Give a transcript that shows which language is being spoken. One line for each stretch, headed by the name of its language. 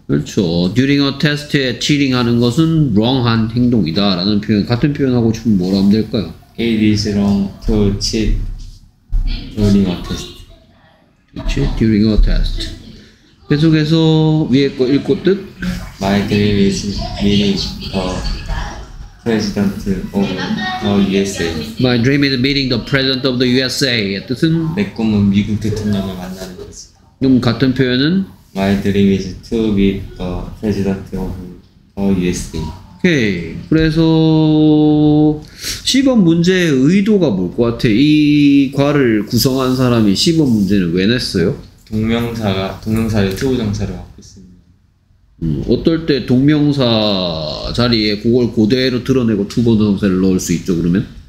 Korean: 그렇죠.
English: During a test
Korean: 에 cheating 하는 것은 wrong한 행동이다 라는 표현. 같은 표현하고 싶으면 뭐라 하면 될까요?
English: It is wrong to cheat during a test. To cheat during a test.
Korean: 계속해서 위에 거 읽고 뜻?
English: My dream is meeting the president of the USA. My dream is meeting the president of the USA.
Korean: 뜻은? 내 꿈은 미국 대통령을 만나는 것이. 그럼 같은 표현은?
English: My dream is to be the president of the USA.
Korean: 오케이, 그래서 시범 문제의 의도가 뭘 것 같아? 이 과를 구성한 사람이 시범 문제를 왜 냈어요? 동명사가 동명사의 to 부정사를 갖고 있습니다. 어떨 때 동명사 자리에 그걸 그대로 드러내고 to 부정사를 넣을 수 있죠, 그러면?